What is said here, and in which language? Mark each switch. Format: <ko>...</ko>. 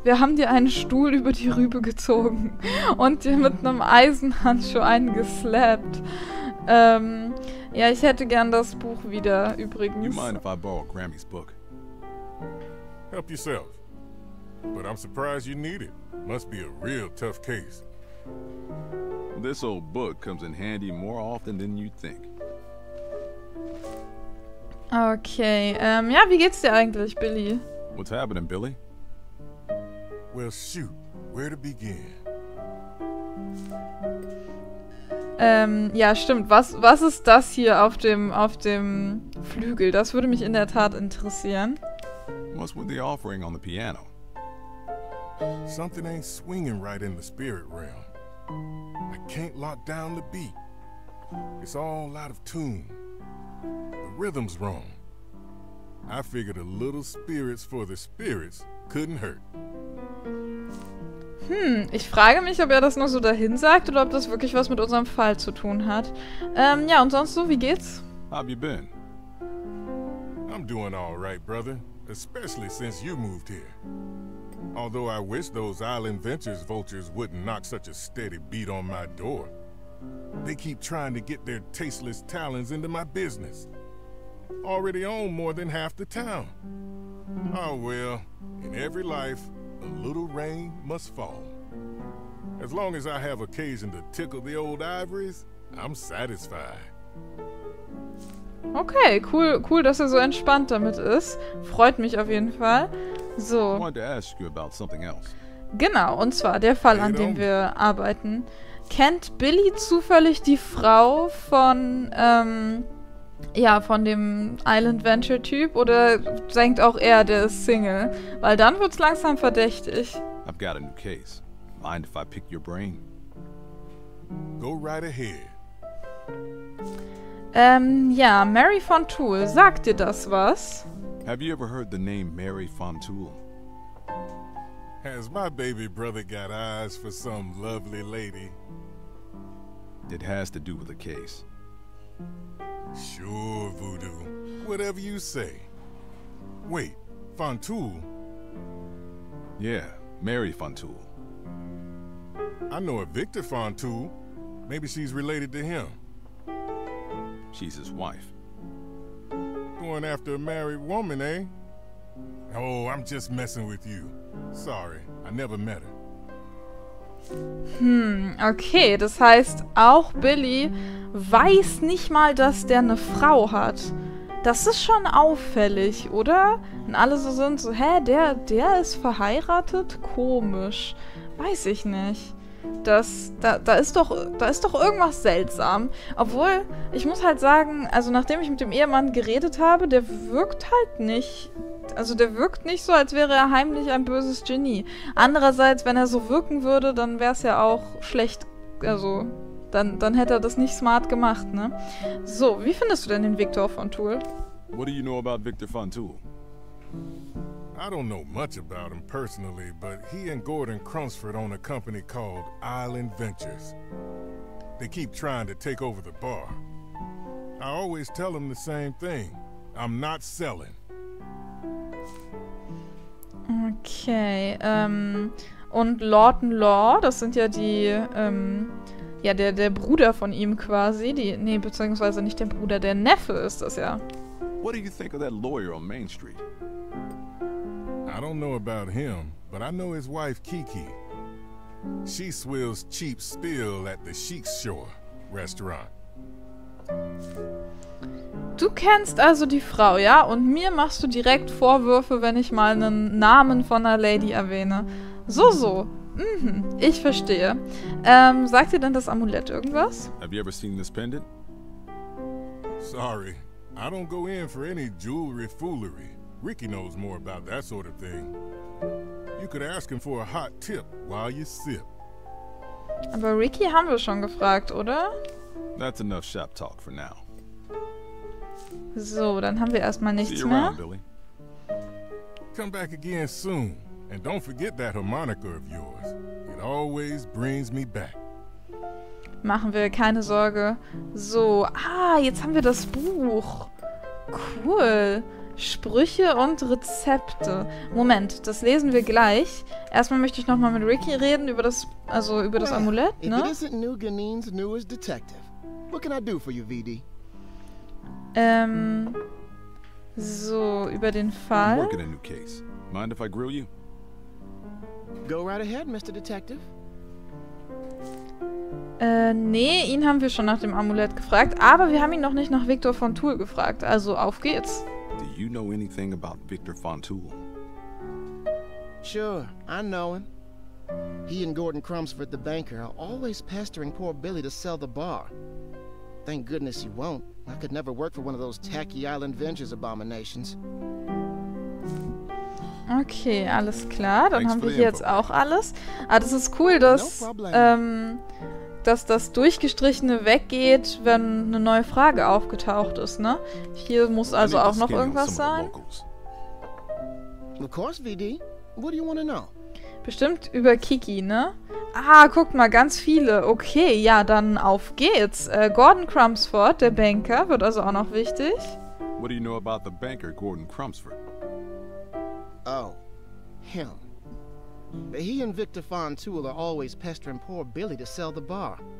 <de>Wir haben dir einen Stuhl über die Rübe gezogen und dir mit einem Eisenhandschuh einen geslappt. Ja, ich hätte gern das Buch wieder, übrigens.</de> <en>You mind if I borrow Grammy's book? Help yourself. But I'm surprised you need it. Must be a real tough case. This old book comes in handy more often than you think.</en> <de>Okay, ja, wie geht's dir eigentlich, Billy?</de> <en>What's happening, Billy? Well, shoot, where to begin?</en> <de>Ja, stimmt, was ist das hier auf dem Flügel? Das würde mich in der Tat interessieren.</de> <en>What's with the offering on the piano? Something ain't swinging right in the spirit realm. I can't lock down the beat. It's all out of tune. The rhythm's wrong. I figured a little spirits for the spirits couldn't hurt.</en> <de>Ich frage mich, ob er das nur so dahin sagt oder ob das wirklich was mit unserem Fall zu tun hat. Ja, und sonst so, wie geht's?</de> <en>How've you been? I'm doing all right, brother. Especially since you moved here. Although I wish those Island Ventures vultures wouldn't knock such a steady beat on my door. They keep trying to get their tasteless talons into my business. Already own more than half the town. Oh well, in every life, a little rain must fall. As long as I have occasion to tickle the old ivories, I'm satisfied.</en> <de>Okay, cool, cool, dass er so entspannt damit ist. Freut mich auf jeden Fall. So.</de> <en>I wanted to ask you about something else.</en> <de>Genau, und zwar der Fall, an dem wir arbeiten. Kennt Billy zufällig die Frau von, ja, von dem Island Venture Typ? Oder denkt auch er, der ist Single? Weil dann wird's langsam verdächtig.</de> <en>I've got a new case. Mind if I pick your brain? Go right ahead.</en> <de>Ja, Mary Fontoul, sagt dir das was?</de> <en>Have you ever heard the name Mary Fontoul? Has my baby brother got eyes for some lovely lady? It has to do with the case. Sure, Voodoo. Whatever you say. Wait, Fontoul? Yeah, Mary Fontoul. I know a Victor Fontoul. Maybe she's related to him. She's his wife. Going after a married woman, eh? Oh, I'm just messing with you. Sorry, I never met her.</en> <de>Okay, das heißt, auch Billy weiß nicht mal, dass der eine Frau hat. Das ist schon auffällig, oder? Und alle so sind so, hä, der ist verheiratet? Komisch. Weiß ich nicht. Da ist doch irgendwas seltsam. Obwohl, ich muss halt sagen, also nachdem ich mit dem Ehemann geredet habe, der wirkt halt nicht... Also der wirkt nicht so, als wäre er heimlich ein böses Genie. Andererseits, wenn er so wirken würde, dann wäre es ja auch schlecht. Also, dann hätte er das nicht smart gemacht, ne? So, wie findest du denn den Victor Fontoul?</de> <en>What do you know about Victor Fontoul? I don't know much about him personally, but he and Gordon Crunsford own a company called Island Ventures. They keep trying to take over the bar. I always tell them the same thing. I'm not selling.</en> <de>Okay, und Lawton Law, das sind ja die, ja, der Bruder von ihm quasi, die, nee, beziehungsweise nicht der Bruder, der Neffe ist das ja.</de> <en>What do you think of that lawyer on Main Street? I don't know about him, but I know his wife Kiki. She swills cheap spill at the Chic Shore restaurant.</en> <de>Du kennst also die Frau, ja? Und mir machst du direkt Vorwürfe, wenn ich mal einen Namen von einer Lady erwähne. So. Ich verstehe. Sagt dir denn das Amulett irgendwas?</de> <en>Have you ever seen this pendant? Sorry, I don't go in for any jewelry foolery. Ricky knows more about that sort of thing. You could ask him for a hot tip while you sip.</en> <de>Aber Ricky haben wir schon gefragt, oder?</de> <en>That's enough shop talk for now.</en> <de>So, dann haben wir erstmal nichts mehr.</de> <en>Around, Billy. Come back again soon. And don't forget that harmonica of yours. It always brings me back.</en> <de>Machen wir keine Sorge. So, jetzt haben wir das Buch. Cool. Sprüche und Rezepte. Moment, das lesen wir gleich. Erstmal möchte ich nochmal mit Ricky reden über das, also über das Amulett, ne?</de> <en>If it isn't New Ganin's newest detective, what can I do for you, VD?</en> <de>So, über den Fall.</de> <en>I'm working a new case. Mind if I grill you? Go right ahead, Mr. Detective.</en> <de>Nee, ihn haben wir schon nach dem Amulett gefragt, aber wir haben ihn noch nicht nach Victor von Thule gefragt. Also, auf geht's.</de> <en>Do you know anything about Victor von Thule? Sure, I know him. He and Gordon Crumsford, the banker, are always pestering poor Billy to sell the bar. Thank goodness he won't. I could never work for one of those tacky island ventures abominations.</en> <de>Okay, alles klar. Dann Thanks haben wir hier jetzt auch alles. Ah, das ist cool, dass, dass das Durchgestrichene weggeht, wenn eine neue Frage aufgetaucht ist, ne? Hier muss also auch noch irgendwas sein.</de> <en>Of course, VD. What do you want to know?</en> <de>Bestimmt über Kiki, ne? Ah, guck mal, ganz viele. Okay, ja, dann auf geht's. Gordon Crumsford, der Banker, wird also auch noch wichtig.</de> <en>What do you know about the banker Gordon Crumsford? Oh, him. He and Victor von Thule are always pestering poor Billy to sell the bar.</en>